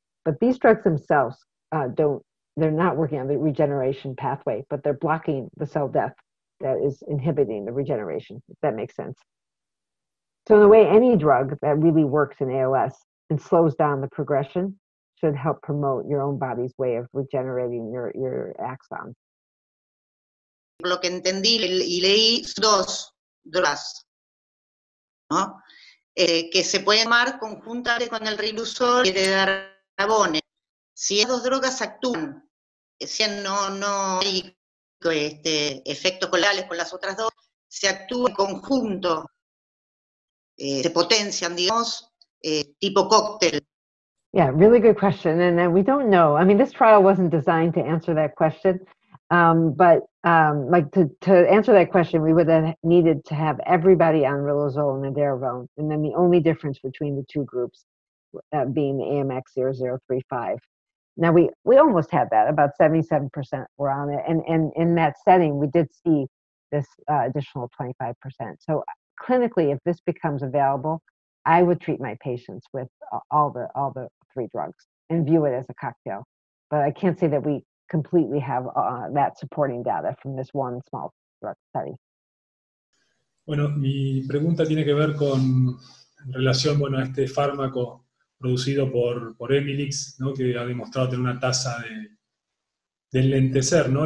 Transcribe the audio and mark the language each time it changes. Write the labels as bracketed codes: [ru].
[en] But these drugs themselves they're not working on the regeneration pathway, but they're blocking the cell death that is inhibiting the regeneration, if that makes sense. So in a way, any drug that really works in ALS and slows down the progression should help promote your own body's way of regenerating your axon. [es] Lo que entendí y leí dos drogas, ¿no? Que se pueden tomar conjuntamente con el riluzol y el edaravone. Si esas dos drogas actúan, si no hay efectos colaterales con las otras dos, se actúa en conjunto, se potencian, digamos, tipo cóctel. [en] Yeah, really good question, and we don't know. I mean, this trial wasn't designed to answer that question, but to answer that question, we would have needed to have everybody on riluzole and edaravone, and then the only difference between the two groups being the AMX0035. Now, we almost had that. About 77% were on it, and in that setting, we did see this additional 25%. So clinically, if this becomes available, I would treat my patients with all the three drugs and view it as a cocktail. But I can't say that we completely have that supporting data from this one small drug study. [es] Bueno, mi pregunta tiene que ver con en relación, bueno, a este fármaco producido por Emilix, ¿no? Que ha demostrado tener una tasa de enlentecer, ¿no?